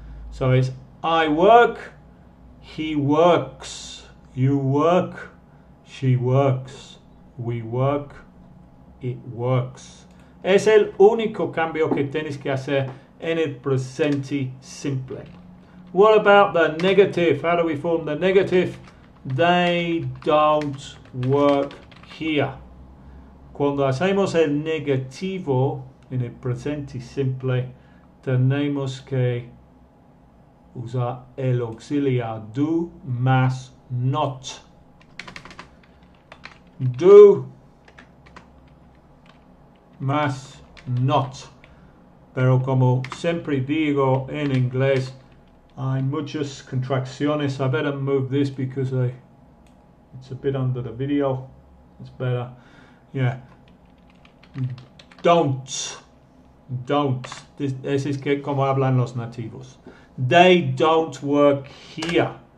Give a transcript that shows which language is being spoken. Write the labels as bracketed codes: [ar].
[en] So it's I work, he works, you work, she works, we work, it works. [es] Es el único cambio que tienes que hacer en el presente simple. [en] What about the negative? How do we form the negative? They don't work here. [es] Cuando hacemos el negativo en el presente simple, tenemos que usar el auxiliar do más not. [en] Do [es] más not. Pero como siempre digo en inglés, hay muchas contracciones. [en] I better move this because it's a bit under the video. It's better. Yeah. Don't. Don't. [es] Es que como hablan los nativos. They don't work here.